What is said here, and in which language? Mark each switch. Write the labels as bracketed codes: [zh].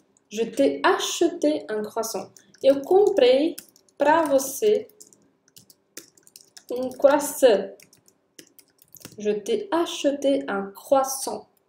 [fr] Je t'ai acheté un croissant. [pt] Eu comprei pra você um croissant. [fr] Je t'ai acheté un croissant.